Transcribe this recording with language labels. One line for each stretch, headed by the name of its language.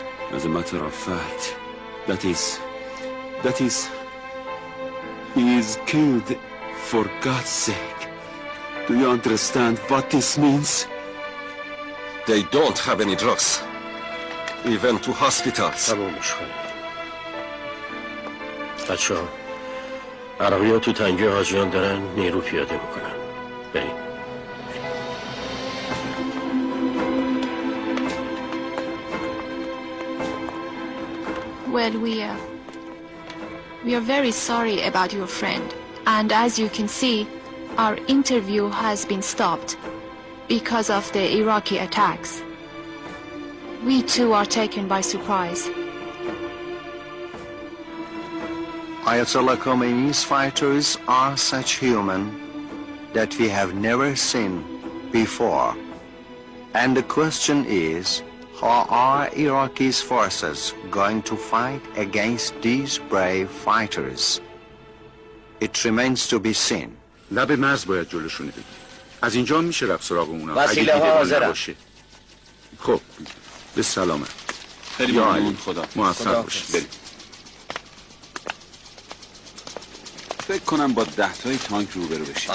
English: As a matter of fact, that is, he is killed for God's sake. Do you understand what this means? They don't have any drugs, even to hospitals.
Persian: بچه ها عربی ها تو تنگی حاجیان دارن نیرو پیاده بکنن بریم
English: Well, we We are very sorry about your friend. And as you can see, our interview has been stopped because of the Iraqi attacks. We too are taken by surprise. Ayatollah Khomeini's fighters are such human that we have never seen before. And the question is, how are Iraqi's forces going to fight against these brave fighters? It remains to be seen.
Persian: لب مرز باید جلوشونه بگیر. از اینجا میشه رفت سراغ اونا. وسیله ها حاضرم. خب به سلامه. خیلی ممنون. خدا موفق باشی. بریم. فکر کنم با دهتای تانک روبرو بشیم.